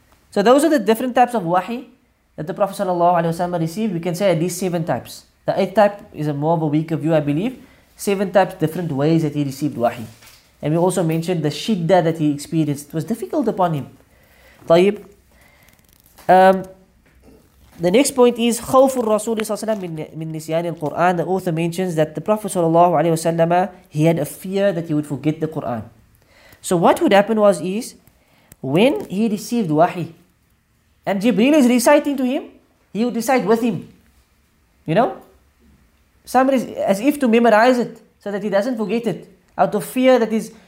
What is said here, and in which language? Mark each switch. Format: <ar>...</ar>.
<en>So those are the different types of wahi that the Prophet sallallahu alaihi wasallam received. We can say at least seven types. The eighth type is a more of a weaker view, I believe. Seven types, different ways that he received wahi. And we also mentioned the shidda that he experienced. It was difficult upon him. Tayyib. The next point is</en> <ar>خوف الرسول صلى الله عليه وسلم من نسيان القرآن.</ar> <en>The author mentions that the Prophet sallallahu alaihi wasallam, he had a fear that he would forget the Quran. So what would happen was is, when he received wahi and Jibreel is reciting to him, he would recite with him, you know, as if to memorize it so that he doesn't forget it, out of fear that is.</en>